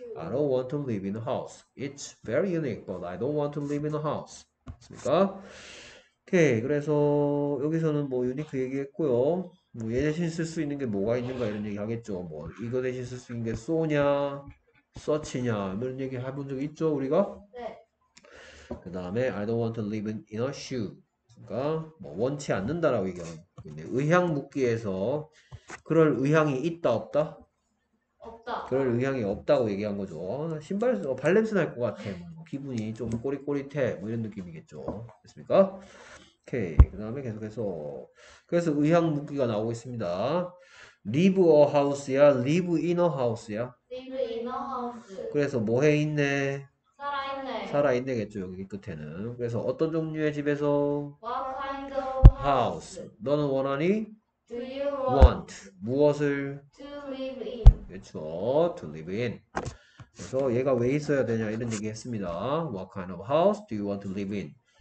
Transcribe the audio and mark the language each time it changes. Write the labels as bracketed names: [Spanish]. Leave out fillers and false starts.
[English] I don't want to live in a house. It's very unique, but I don't want to live in a house. [Korean] 맞습니까? 오케이. 그래서 여기서는 뭐 유니크 얘기했고요. 뭐얘 대신 쓸수 있는 게 뭐가 있는가 이런 얘기 하겠죠. 뭐 이거 대신 쓸수 있는 게 so냐, such냐 이런 얘기 해본 적 있죠 우리가. 그 다음에 [English] I don't want to live in a shoe. [Korean] 그러니까 뭐 원치 않는다라고 얘기하는 근데 의향 묻기에서 그럴 의향이 있다 없다? 없다. 그럴 의향이 없다고 얘기한 거죠. 신발 발 냄새 날것 같아. 기분이 좀 꼬릿꼬릿해. 뭐 이런 느낌이겠죠. 됐습니까? 오케이. 그다음에 계속해서 그래서 의향 묻기가 나오고 있습니다. [English] Live a house야? Live in a house야? Live in a house. [Korean] 그래서 뭐해 있네? 살아있네. 살아있네겠죠. 여기 끝에는. 그래서 어떤 종류의 집에서? [English] What kind of House. house [Korean] 너는 원하니? [English] do you Want. want [Korean] 무엇을? [English] to live in? [Korean] 그렇죠. [English] To live in. [Korean] 그래서 얘가 왜 있어야 되냐 이런 얘기 했습니다. [English] What kind of house do you want to live in?